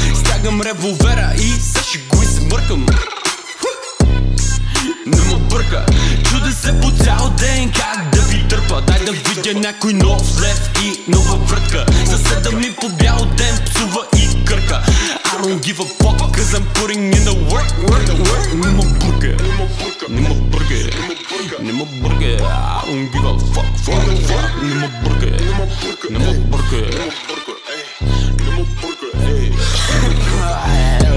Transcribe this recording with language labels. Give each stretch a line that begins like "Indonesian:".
Bulgarian: Стягам револвера и съши го и смъркам. Не ма бърка. Чуде се по цял ден как да ви търпа. Дай да видя някой нов лев и нова врътка. Съседа ми по бял ден псува и кърка.
English: I don't give a fuck, cause I'm putting in the work.
Bulgarian: Не ма бърка, не ма бърка, не ма бърка.
English: I don't give a fuck.
Bulgarian: Не ма бърка, не ма бърка, не ма бърка. Не ма бърка, ей.